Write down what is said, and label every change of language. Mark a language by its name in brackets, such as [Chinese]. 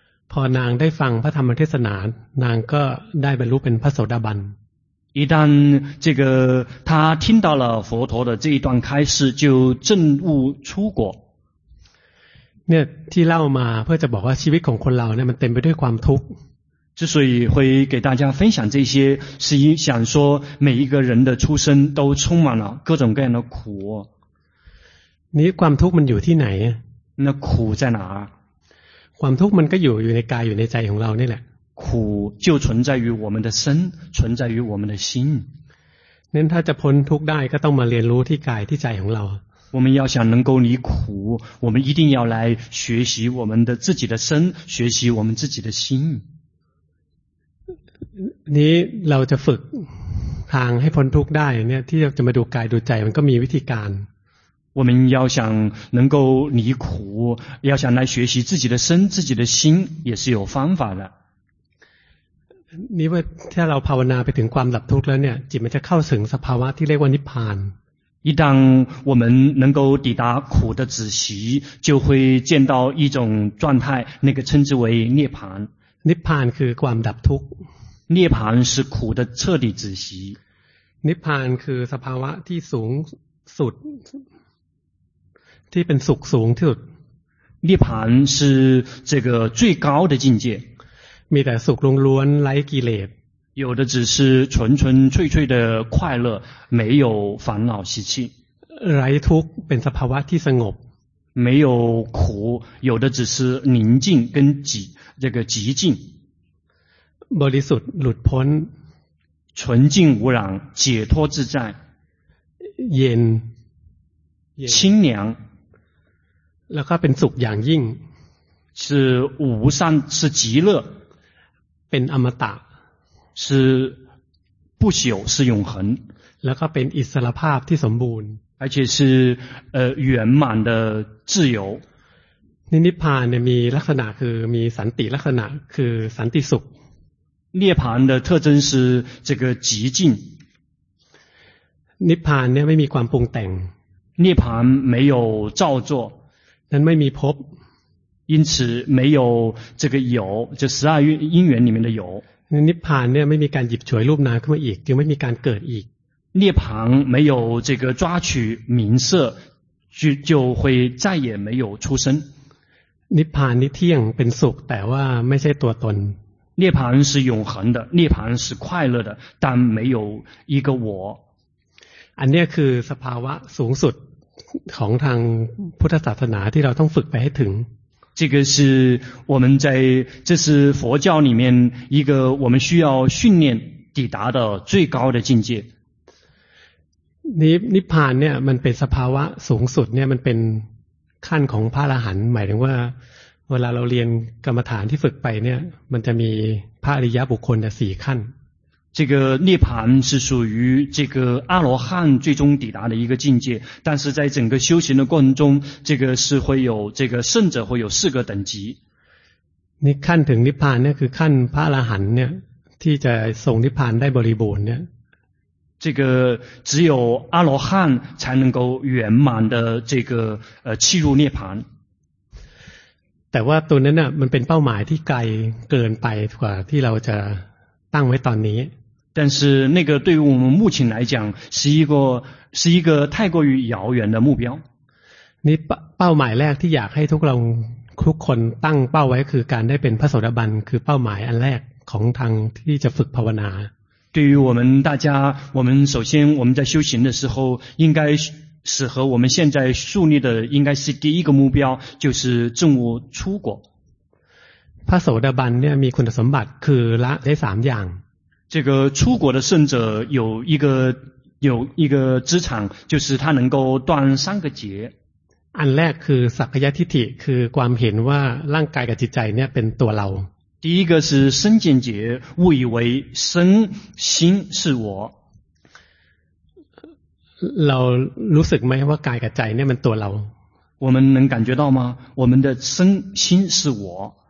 [Thai] พอนางได้ฟังพระธรรมเทศนานางก็ได้บรรลุเป็นพระโสดาบัน [Chinese] 一旦这个他听到了佛陀的这一段开示就证悟出果 [Thai] เนี่ยที่เล่ามาเพื่อจะบอกว่าชีวิตของคนเราเนี่ยมันเต็มไปด้วยความทุกข์ [Chinese] 之所以会给大家分享这些是想说每一个人的出生都充满了各种各样的苦 [Thai] นี่ความทุกข์มันอยู่ที่ไหน [Chinese] น่ะขู่在哪 [Thai] ความทุกข์มันก็อยู่ในกายอยู่ในใจของเรานี่แหละ [Chinese] 苦就存在于我们的身存在于我们的心 [Thai] นั้นถ้าจะพ้นทุกข์ได้ก็ต้องมาเรียนรู้ที่กายที่ใจของเรา [Chinese] 我们要想能够离苦我们一定要来学习我们的自己的身学习我们自己的心 [Thai] นี่เราจะฝึกทางให้พ้นทุกข์ได้เนี่ยที่จะมาดูกายดูใจมันก็มีวิธีการ [Chinese] 我们要想能够离苦要想来学习自己的身自己的心也是有方法的 [Thai] นี่ว่าถ้าเราภาวนาไปถึงความดับทุกข์แล้วเนี่ยจิตมันจะเข้าถึงสภาวะที่เรียกว่านิพพาน [Chinese] 一旦我们能够抵达苦的止息就会见到一种状态那个称之为涅槃 [Thai] นิพพานคือความดับทุกข์ [Chinese] 涅槃是苦的彻底止息 [Thai] นิพพานคือสภาวะที่สูงสุดที่เป็นสุขสูงที่สุด [Chinese] 涅槃是这个最高的境界 [Thai] มีแต่สุขล้วนๆไร้กิเลส [Chinese] 有的只是纯纯粹粹的快乐没有烦恼习气 [Thai] ไร้ทุกข์เป็นสภาวะที่สงบ [Chinese] 没有苦有的只是宁静跟极这个极静 [Thai] บริสุทธิ์หลุดพ้น [Chinese] 纯净无染解脱自在 [Thai] เย็น [Chinese] 清凉 [Thai] แล้วก็เป็นสุขอย่างยิ่ง [Chinese] 是无上是极乐 [Thai] เป็นอมตะ [Chinese] 是不朽是永恒 [Thai] แล้วก็เป็นอิสรภาพที่สมบูรณ์ [Chinese] 而且是圆满的自由 [Thai] นิพพานเนี่ยมีลักษณะคือมีสันติลักษณะคือสันติสุข [Chinese] 涅槃的特征是这个极静 [Thai] นิพพานเนี่ยไม่มีความปรุงแต่ง [Chinese] 涅槃没有造作 [Thai] นั้นไม่มีภพ [Chinese] 因此没有这个有就十二因缘里面的有 [Thai] นิพพานเนี่ยไม่มีการหยิบฉวยรูปนามขึ้นมาอีกจึงไม่มีการเกิดอีก [Chinese] 涅槃没有这个抓取名色就会再也没有出生 [Thai] นิพพานนี่เที่ยงเป็นสุขแต่ว่าไม่ใช่ตัวตน [Chinese] 涅槃是永恒的涅槃是快乐的但没有一个我 [Thai] อันนี้คือสภาวะสูงสุดของทางพุทธศาสนาที่เราต้องฝึกไปให้ถึง [Chinese] 这个是我们在这是佛教里面一个我们需要训练抵达的最高的境界 [Thai] นิพพานเนี่ยมันเป็นสภาวะสูงสุดเนี่ยมันเป็นขั้นของพระอรหันต์หมายถึงว่าเวลาเราเรียนกรรมฐานที่ฝึกไปเนี่ยมันจะมีพระอริยบุคคลเนี่ย4ขั้น [Chinese] 这个涅槃是属于这个阿罗汉最终抵达的一个境界，但是在整个修行的过程中，这个是会有这个圣者会有四个等级。你看 [Thai] ถึง涅槃呢，คือขั้นพระอรหันต์เนี่ยที่จะส่ง涅槃ได้บริบูรณ์เนี่ย。 [Chinese] 这个只有阿罗汉才能够圆满的这个契入涅槃。 [Thai] แต่ว่าตัวนั้นน่ะมันเป็นเป้าหมายที่ไกลเกินไปกว่าที่เราจะตั้งไว้ตอนนี้ [Chinese] 但是那个对于我们目前来讲是一个太过于遥远的目标 [Thai] นี่เป้าหมายแรกที่อยากให้ทุกคนตั้งเป้าไว้คือการได้เป็นพระโสดาบันคือเป้าหมายอันแรกของทางที่จะฝึกภาวนา [Chinese] 对于我们大家我们首先我们在修行的时候应该是和我们现在树立的应该是第一个目标就是证悟出果 [Thai] พระโสดาบันเนี่ยมีคุณสมบัติคือละได้สามอย่าง [Chinese] 这个出果的圣者有一个资产就是他能够断三个结 [Thai] อันแรกคือสักกายทิฏฐิคือความเห็นว่าร่างกายกับจิตใจเนี่ยเป็นตัวเรา [Chinese] 第一个是身见结误以为身心是我 [Thai] เรารู้สึกไหมว่ากายกับใจเนี่ยมันตัวเรา [Chinese] 我们能感觉到吗我们的身心是我